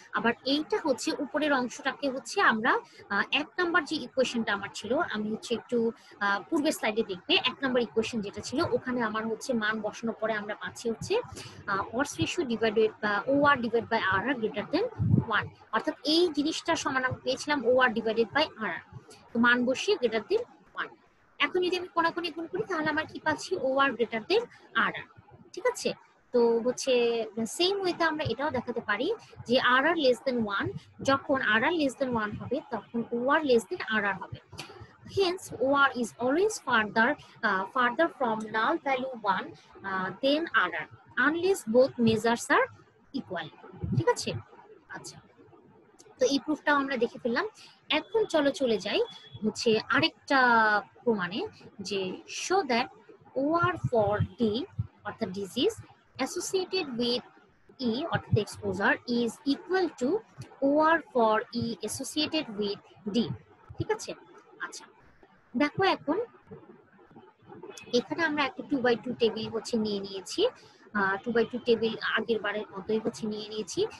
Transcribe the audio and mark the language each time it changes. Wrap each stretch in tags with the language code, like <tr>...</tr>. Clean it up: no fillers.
<bn>আবার এইটা হচ্ছে উপরের অংশটাকে হচ্ছে আমরা এক নাম্বার যে ইকুয়েশনটা আমার ছিল আমি হচ্ছে একটু পূর্বের স্লাইডে দেখবে, এক নাম্বার ইকুয়েশন যেটা ছিল ওখানে আমার হচ্ছে মান বসানোর পরে আমরা পাচ্ছি হচ্ছে অর রেশিও ডিভাইডেড বা ও আর divide by আর আর greater than one, অর্থাৎ এই জিনিসটা সমান আমি পেয়েছিলাম ও আর ডিভাইডেড বাই আর আর, তো মান বসিয়ে গ্রেটার দেন ওয়ান। এখন যদি আমি কোনাকুনি গুণ করি তাহলে আমার কি পাচ্ছি ও আর গ্রেটার দেন আর আর, ঠিক আছে। তো হচ্ছে সেম ওয়েতে আমরা এটাও দেখাতে পারি যে আর আর লেস দেন ওয়ান, যখন আর আর লেস দেন ওয়ান হবে তখন ও আর লেস দেন আর আর হবে।</bn> <en>Hence, OR is always farther farther from null value 1 than RR, unless both measures are equal.</en> <bn>ঠিক আছে? আচ্ছা, তো এই প্রুফটাও আমরা দেখে ফেললাম। এখন চলো চলে যাই হচ্ছে আরেকটা প্রমাণে, যে</bn> <en>show that OR for D or the disease associated with E or the exposure is equal to OR for E associated with D.</en> <bn>ঠিক আছে? আচ্ছা দেখো, এখন এখানে আমরা একটা 2/2 টেবিল হচ্ছে নিয়ে নিয়েছি, 2/2 টেবিল আগের বারের মতই হচ্ছে নিয়ে নিয়েছি।</bn>